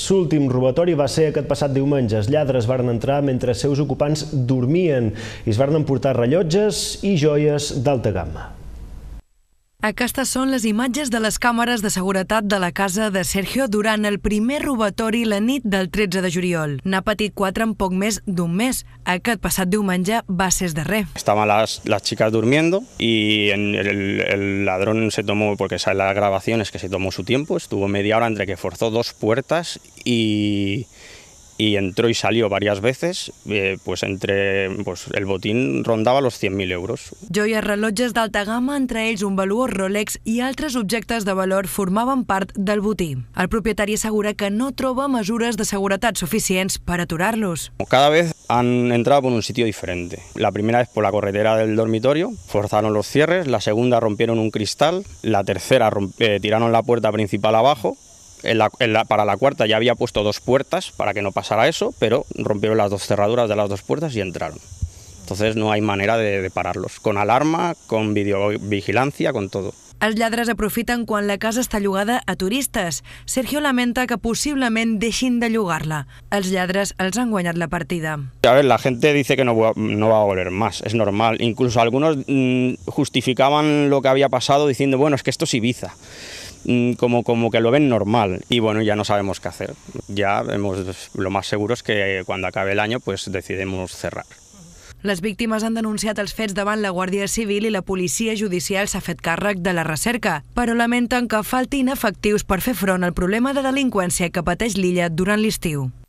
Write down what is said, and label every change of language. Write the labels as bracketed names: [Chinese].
[Catalan] L'últim robatori va ser aquest passat diumenge. Els lladres varen entrar mentre els seus ocupants dormien i es varen emportar rellotges i joies d'alta gamma. Aquestes són les imatges de les càmeres de seguretat de la casa de Sergio durant el primer robatori la nit del 13 de juliol. N'ha patit 4 en poc més d'un mes. Aquest passat diumenge va ser el darrer. [Spanish] Estaban las chicas durmiendo y el ladrón se tomó, porque sale las grabaciones, que se tomó su tiempo, estuvo media hora entre que forzó dos puertas y entró y salió varias veces, pues el botín rondava los 100.000 euros. [Catalan] Joies, rellotges d'alta gamma, entre ells un valuós Rolex i altres objectes de valor formaven part del botí. El propietari assegura que no troba mesures de seguretat suficients per aturar-los. [Spanish] Cada vez han entrado por un sitio diferente. La primera vez por la carretera del dormitorio, forzaron los cierres, la segunda rompieron un cristal, la tercera tiraron la puerta principal abajo. Para la cuarta ya había puesto dos puertas para que no pasara eso, pero rompieron las dos cerraduras de las dos puertas y entraron. Entonces no hay manera de pararlos, con alarma, con videovigilancia, con todo. [Catalan] Els lladres aprofiten quan la casa està llogada a turistes. Sergio lamenta que possiblement deixin de llogar-la. Els lladres els han guanyat la partida. [Spanish] A ver, la gente dice que no va a volver más, es normal. Incluso algunos justificaban lo que había pasado diciendo, bueno, es que esto es Ibiza. Como que lo ven normal y bueno, ya no sabemos qué hacer. Ya vemos, lo más seguro es que cuando acabe el año pues decidimos cerrar. [Catalan] Les víctimes han denunciat els fets davant la Guàrdia Civil i la policia judicial s'ha fet càrrec de la recerca, però lamenten que faltin efectius per fer front al problema de delinqüència que pateix l'illa durant l'estiu.